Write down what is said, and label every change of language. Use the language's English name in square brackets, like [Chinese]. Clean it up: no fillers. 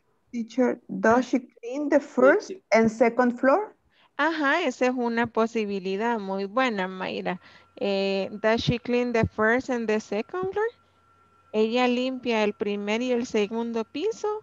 [English] Teacher, does she clean the first and second floor? [Spanish] Ajá, esa es una posibilidad muy buena, Mayra. [English] Does she clean the first and the second floor? [Spanish] ¿Ella limpia el primer y el segundo piso?